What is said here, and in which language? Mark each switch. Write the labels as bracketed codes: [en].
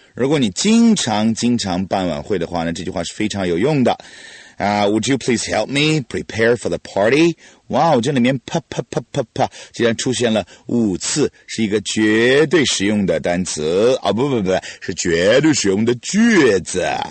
[zh] 如果你经常办晚会的话呢，这句话是非常有用的。 [en] Would you please help me prepare for the party? [zh] Wow, 这里面啪啪啪啪啪既然出现了五次，是一个绝对实用的单词。哦，不不不，是绝对实用的句子。